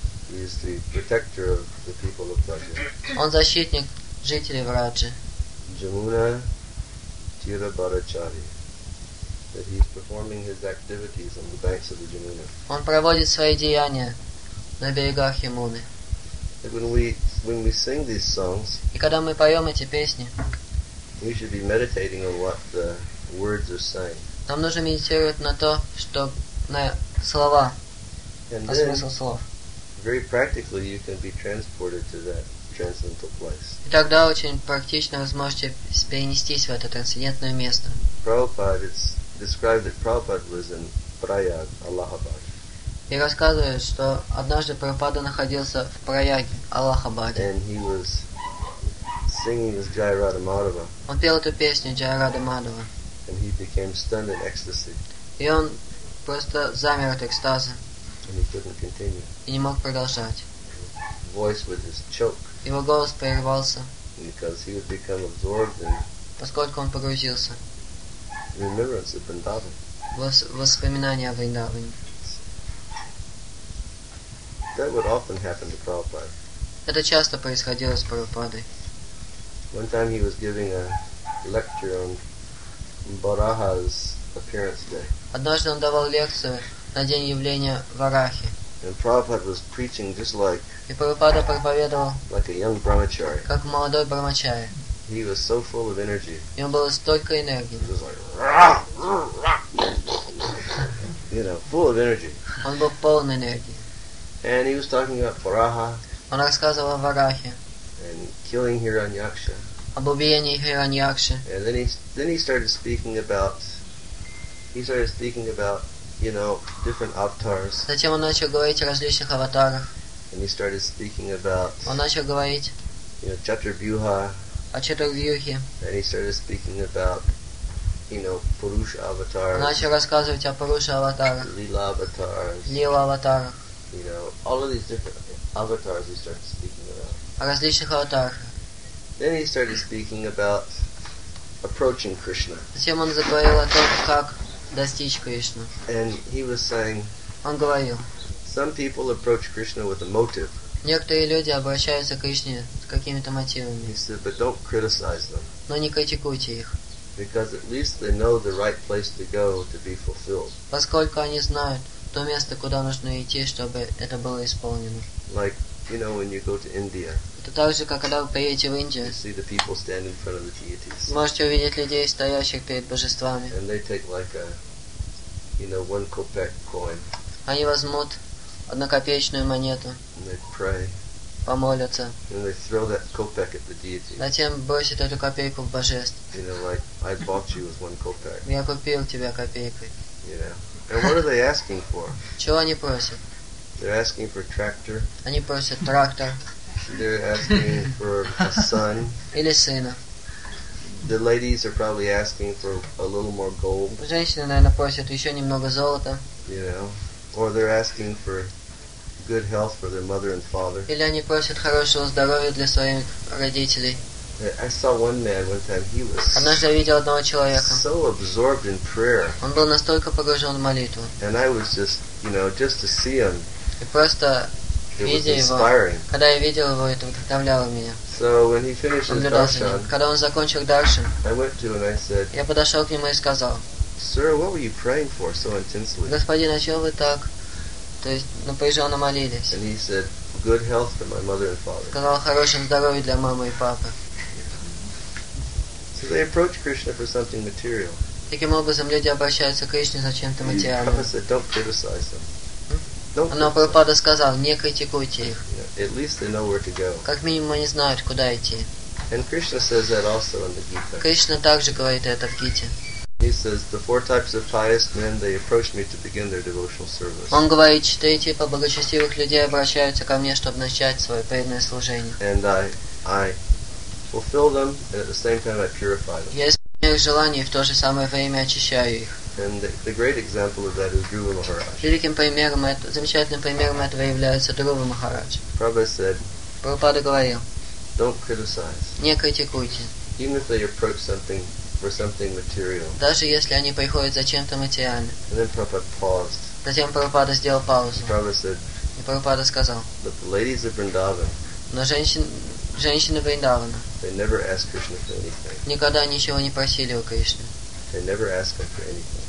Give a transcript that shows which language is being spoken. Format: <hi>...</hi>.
<en>He is the protector of the people of Braja.</en> <ru>Он защитник жителей Враджи.</ru> <sa>Jamuna Tira Bharachari.</sa> <en>That he is performing his activities on the banks of the Jamuna.</en> <ru>Он проводит свои деяния на берегах Ямуны.</ru> <en>When we sing these songs,</en> <ru>и когда мы поем эти песни,</ru> <en>we should be meditating on what the words are saying.</en> <ru>Нам нужно медитировать на то, что на слова,</ru> <en>and</en> <ru>на смысл слов.</ru> <en>Very practically, you can be transported to that transcendental place.</en> <ru>И тогда очень практично вы сможете перенестись в это трансцендентное место.</ru> <en>Prabhupada, it's described that Prabhupada was in Prayag, Allahabad.</en> <ru>И рассказывают, что однажды Прабхупада находился в Праяге, Аллахабаде.</ru> <en>And he was singing this Jaya Radha Madhava.</en> <ru>Он пел эту песню Jaya Radha Madhava.</ru> <en>And he became stunned in ecstasy.</en> <ru>И он просто замер от экстаза.</ru> <en>And he couldn't continue.</en> <ru>И не мог продолжать.</ru> <en>Voice would just choke.</en> <ru>Его голос прервался.</ru> <en>Because he would become absorbed in.</en> <ru>Поскольку он погрузился.</ru> <en>Remembrance of Vrindavan.</en> <ru>Воспоминания о Вриндаване.</ru> <en>That would often happen to Prabhupada.</en> <ru>Это часто происходило с Прабхупадой.</ru> <en>One time he was giving a lecture on Varaha's appearance day.</en> <ru>Однажды он давал лекцию на день явления Варахи.</ru> <en>And Prabhupada was preaching just like.</en> <ru>И Прабхупада проповедовал.</ru> <en>Like a young brahmachari.</en> <ru>Как молодой брахмачари.</ru> <en>He was so full of energy.</en> <ru>И он был столько энергии.</ru> <en>He was like rah, rah, rah. You know, full of energy.</en> <ru>Он был полон энергии.</ru> <en>And he was talking about Varaha.</en> <ru>Он рассказывал о Варахе.</ru> <en>And killing Hiranyaksha.</en> <ru>Об убиении Хираньякши.</ru> <en>And then he started speaking about, you know, different avatars.</en> <ru>Затем он начал говорить о различных аватарах.</ru> <en>And he started speaking about.</en> <ru>Он начал говорить.</ru> <en>You know, Чатурвьюха.</en> <ru>О Чатурвьюхе.</ru> <en>And he started speaking about, you know, Пуруша аватарах.</en> <ru>Он начал рассказывать о Пуруша аватарах. Лила аватарах. Лила аватарах.</ru> <en>You know, all of these different avatars he started speaking about.</en> <ru>О различных аватарах.</ru> <en>Then he started speaking about approaching Krishna.</en> <ru>Затем он заговорил о том, как достичь Кришны.</ru> <en>And he was saying.</en> <ru>Он говорил.</ru> <en>Some people approach Krishna with a motive.</en> <ru>Некоторые люди обращаются к Кришне с какими-то мотивами.</ru> <en>He said, but don't criticize them.</en> <ru>Но не критикуйте их.</ru> <en>Because at least they know the right place to go to be fulfilled.</en> <ru>Поскольку они знают то место, куда нужно идти, чтобы это было исполнено.</ru> <en>Like, you know, when you go to India.</en> <ru>Это так же, как когда вы поедете в Индию.</ru> <en>You see the people stand in front of the deities.</en> <ru>Можете увидеть людей, стоящих перед божествами.</ru> <en>And they take like a, you know, one kopeck coin.</en> <ru>Они возьмут однокопеечную монету.</ru> <en>And they pray.</en> <ru>Помолятся.</ru> <en>And they throw that kopeck at the deity.</en> <ru>Затем бросят эту копейку в божеств.</ru> <en>You know, like, I bought you with one kopeck.</en> <ru>Я купил тебя копейкой.</ru> <en>You know. And what are they asking for?</en> <ru>Чего они просят?</ru> <en>They're asking for a tractor.</en> <ru>Они просят трактор.</ru> <en>They're asking for a son.</en> <ru>Или сына.</ru> <en>The ladies are probably asking for a little more gold.</en> <ru>Женщины, наверное, просят еще немного золота.</ru> <en>You know, or they're asking for good health for their mother and father.</en> <ru>Или они просят хорошего здоровья для своих родителей.</ru> <en>I saw one man one time. He was</en> <ru>однажды я видел одного человека.</ru> <en>So absorbed in prayer.</en> <ru>Он был настолько погружен в молитву.</ru> <en>And I was just, you know, just to see him.</en> <ru>И просто видя его, когда я видел его, это вдохновляло меня.</ru> <en>So when he finished his darshan,</en> <ru>когда он закончил даршан,</ru> <en>I went to him and I said,</en> <ru>я подошел к нему и сказал,</ru> <en>Sir, what were you praying for so intensely?</en> <ru>Господин, о чем вы так, то есть напряженно молились?</ru> <en>And he said, good health for my mother and father.</en> <ru>Сказал, хорошее здоровье для мамы и папы.</ru> <en>So they approach Krishna for something material.</en> <ru>Таким образом, люди обращаются к Кришне за чем-то материальным.</ru> <en>He said, don't criticize them.</en> <ru>Но Прабхупада сказал, не критикуйте их.</ru> <en>At least they know where to go.</en> <ru>Как минимум, они знают, куда идти.</ru> <en>And Krishna says that also in the Gita.</en> <ru>Кришна также говорит это в Гите.</ru> <en>He says, the four types of pious men, they approach me to begin their devotional service.</en> <ru>Он говорит, четыре типа благочестивых людей обращаются ко мне, чтобы начать свое преданное служение.</ru> <en>And I fulfill them, and at the same time I purify them.</en> <ru>Я исполняю их желания и в то же самое время очищаю их.</ru> <en>And the great example of that is Dhruva Maharaj.</en> <ru>Великим примером, замечательным примером этого является Дхрува Махарадж.</ru> <en>Prabhupada said,</en> <ru>Прабхупада говорил,</ru> <en>don't criticize.</en> <ru>Не критикуйте.</ru> <en>Even if they approach something for something material.</en> <ru>Даже если они приходят за чем-то материальным.</ru> <en>And then Prabhupada paused.</en> <ru>Затем Прабхупада сделал паузу.</ru> <en>Prabhupada said,</en> <ru>и Прабхупада сказал,</ru> <en>but the ladies of Vrindavan,</en> <ru>но женщины Вриндавана,</ru> <en>they never ask Krishna for anything.</en> <ru>Никогда ничего не просили у Кришны.</ru> <en>They never ask him for anything.</en>